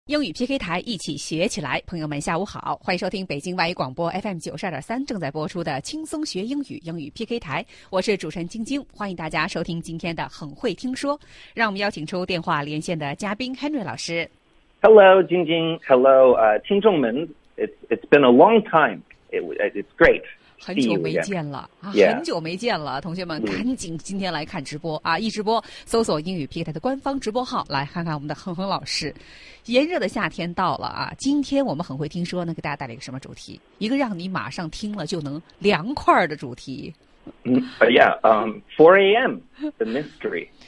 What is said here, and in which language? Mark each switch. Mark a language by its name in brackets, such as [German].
[Chinese] 英语 PK 台一起学起来，朋友们下午好，欢迎收听北京外语广播 FM92.3 正在播出的轻松学英语英语 PK 台，我是主持人晶晶，欢迎大家收听今天的很会听说，让我们邀请出电话连线的嘉宾 Henry 老师。 [English] Hello 晶晶 Hello 听众们 It's been a long time It's great [Chinese] 很久没见了、 yeah. 啊、很久没见了同学们赶紧今天来看直播啊！一直播搜索英语 PK 台的官方直播号来看看我们的恒恒老师炎热的夏天到了啊！今天我们很会听说呢给大家带来一个什么主题一个让你马上听了就能凉快的主题 [English] 4 AM The mystery